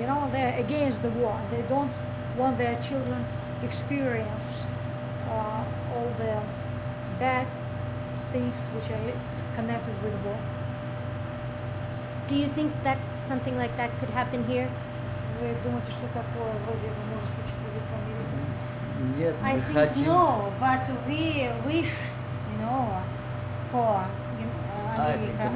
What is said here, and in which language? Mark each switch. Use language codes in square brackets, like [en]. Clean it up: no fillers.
[en] You know, they're against the war. They don't want their children experience all the bad things which are connected with the war. Do you think that something like that could happen here? [ru] Вы думаете, что такое вроде бы может случиться в этом мире? Нет, мы хотим. [en] I think no, but we wish, you know, for America.